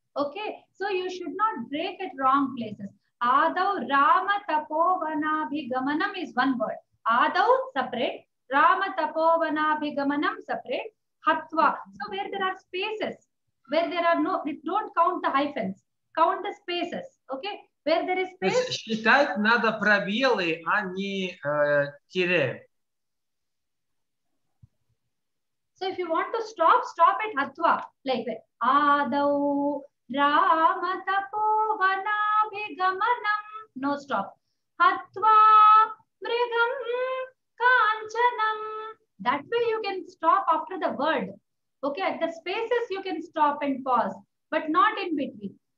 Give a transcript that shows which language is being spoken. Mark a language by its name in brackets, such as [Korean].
[English] Okay, so you should not break at wrong places. Adau Rama Tapovanabhigamanam is one word. Adau separate, Rama Tapovanabhigamanam separate, Hatva. So where there are spaces, where there are no, don't count the hyphens. Count the spaces, okay? Where there is space. [Russian] Считать надо пробелы, а не тире. [English] So if you want to stop, stop at Hatva. Like Adau Rama Tapovanabhigamanam. No stop. Hatva Mridam Kanchanam. That way you can stop after the word. Okay, at the spaces you can stop and pause, but not in between.